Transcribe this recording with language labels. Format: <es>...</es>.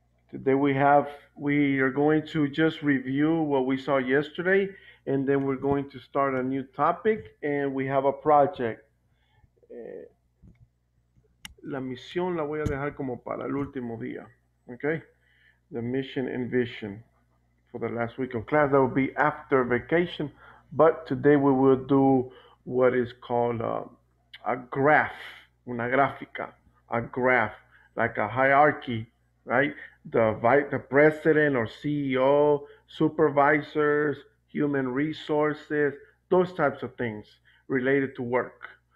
<en>Today we are going to just review what we saw yesterday, and then we're going to start a new topic, and we have a project.</en> <es>La misión la voy a dejar como para el último día, okay?</es> <en>The mission and vision for the last week of class. That will be after vacation, but today we will do what is called a graph. Like a hierarchy, right? The president or CEO, supervisors, human resources, those types of things related to work.</en>